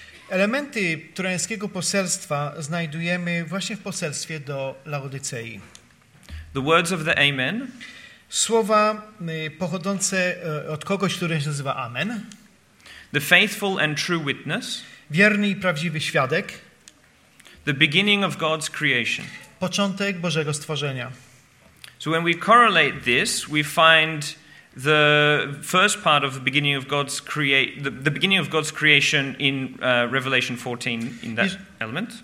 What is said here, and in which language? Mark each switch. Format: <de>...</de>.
<pl>Elementy trojańskiego poselstwa znajdujemy właśnie w poselstwie do Laodycei.</pl> <en>The words of the Amen.</en> <pl>Słowa pochodzące od kogoś, który się nazywa Amen.</pl> <en>The faithful and true witness.</en> <pl>Wierny i prawdziwy świadek.</pl> <en>The beginning of God's creation.</en> <pl>Początek Bożego stworzenia.</pl> <en>So when we correlate this, we find the first part of the beginning of God's the beginning of God's creation in Revelation 14 in that element.</en>